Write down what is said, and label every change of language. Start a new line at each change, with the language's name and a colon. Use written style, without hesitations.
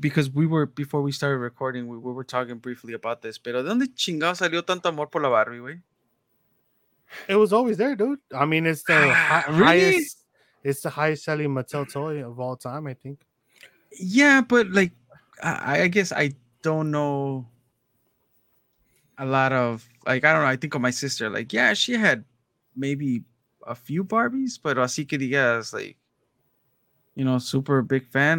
English: Because we were, before we started recording, we were talking briefly about this.
Spanish: Pero ¿dónde chingado salió tanto amor por la Barbie, güey?
English: It was always there, dude. I mean, it's the highest selling Mattel toy of all time, I think. Yeah, but like, I guess I don't know a lot of, like, I don't know. I think of my sister, like, yeah, she had maybe a few Barbies, but
Spanish: así que digas,
English: like, you know, super big fan.